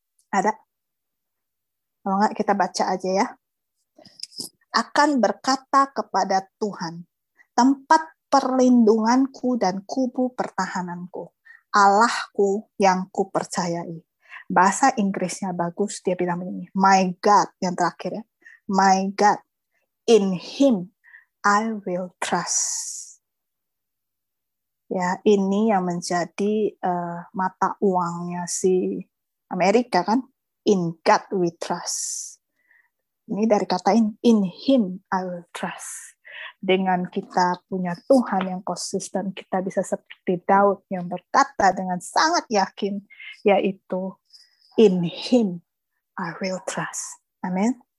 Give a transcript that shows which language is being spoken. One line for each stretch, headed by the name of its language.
Indonesian: Ada? Kalau enggak kita baca aja ya. Akan berkata kepada Tuhan, tempat perlindunganku dan kubu pertahananku, Allahku yang kupercayai. Bahasa Inggrisnya bagus, dia bilang begini,
English: my God,
Indonesian: yang terakhir ya.
English: My God, in him I will trust.
Indonesian: Ya, ini yang menjadi mata uangnya si Amerika kan,
English: in God we trust.
Indonesian: Ini dari katain,
English: in him I will trust.
Indonesian: Dengan kita punya Tuhan yang konsisten, kita bisa seperti Daud yang berkata dengan sangat yakin, yaitu in him I will trust. Amin.